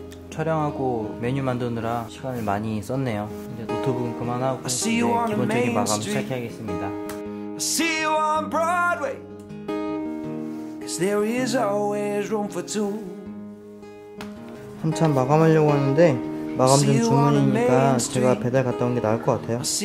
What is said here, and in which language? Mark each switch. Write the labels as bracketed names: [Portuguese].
[Korean] 촬영하고 메뉴 만드느라 시간을 많이 썼네요. 이제 노트북은 그만하고 이제 기본적인 마감 시작해야겠습니다. [English] I see you on Broadway. Cause there is always room for two. [Korean] 한참 마감하려고 하는데 마감 전 주문이니까 제가 배달 갔다 온 게 나을 것 같아요.